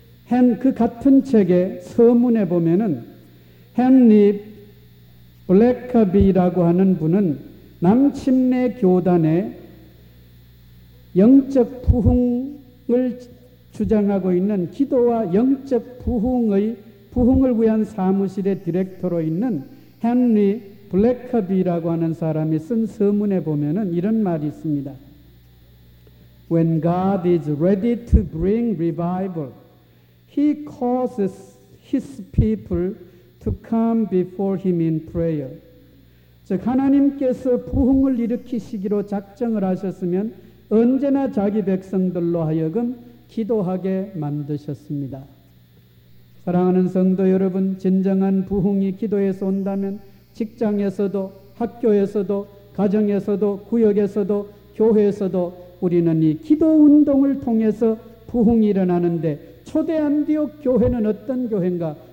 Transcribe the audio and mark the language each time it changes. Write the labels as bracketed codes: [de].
[ko] 햄 그 같은 책의 서문에 보면은 헨리 블랙비라고 하는 분은 남침내 교단의 영적 부흥을 주장하고 있는 기도와 영적 부흥의 부흥을 위한 사무실의 디렉터로 있는 헨리 블랙비라고 하는 사람이 쓴 서문에 보면은 이런 말이 있습니다. [en] When God is ready to bring revival, He causes His people to come before Him in prayer. [ko] 즉 하나님께서 부흥을 일으키시기로 작정을 하셨으면 언제나 자기 백성들로 하여금 기도하게 만드셨습니다. 사랑하는 성도 여러분, 진정한 부흥이 기도에서 온다면 직장에서도, 학교에서도, 가정에서도, 구역에서도, 교회에서도 우리는 이 기도 운동을 통해서 부흥이 일어나는데 초대 안디옥 교회는 어떤 교회인가?